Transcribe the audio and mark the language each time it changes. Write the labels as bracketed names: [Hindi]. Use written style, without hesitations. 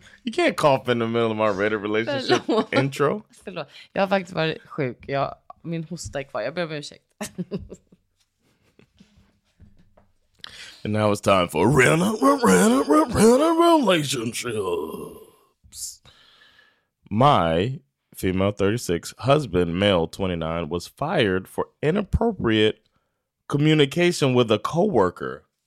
[English] You can't cough in the middle of my red relationship intro. [Swedish] Förlåt, jag har faktiskt varit sjuk. Jag, min hosta är kvar. Jag ber om ursäkt. [English] And now it's time for relationships. My female 36 husband, male 29, was fired for inappropriate communication with a coworker.